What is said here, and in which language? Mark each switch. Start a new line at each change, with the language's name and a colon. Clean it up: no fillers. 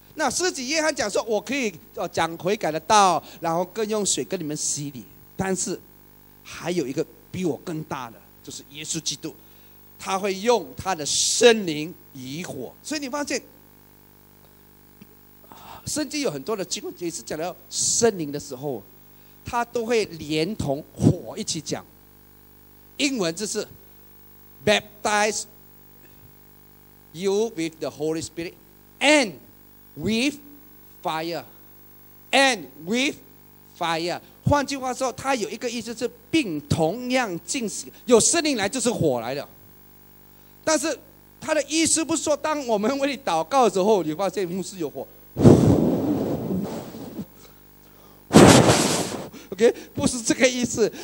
Chinese: 那施洗约翰讲说，我可以讲悔改的道，然后更用水跟你们洗礼，但是还有一个比我更大的，就是耶稣基督，他会用他的圣灵以火。所以你发现圣经有很多的经文也是讲到圣灵的时候，他都会连同火一起讲。英文就是
English: baptize you with the Holy Spirit and with fire and with fire。
Chinese: 换句话说，他有一个意思是并同样进行，有圣灵来就是火来的。但是他的意思不是说当我们为你祷告的时候，你发现牧师有火OK， 不是这个意思。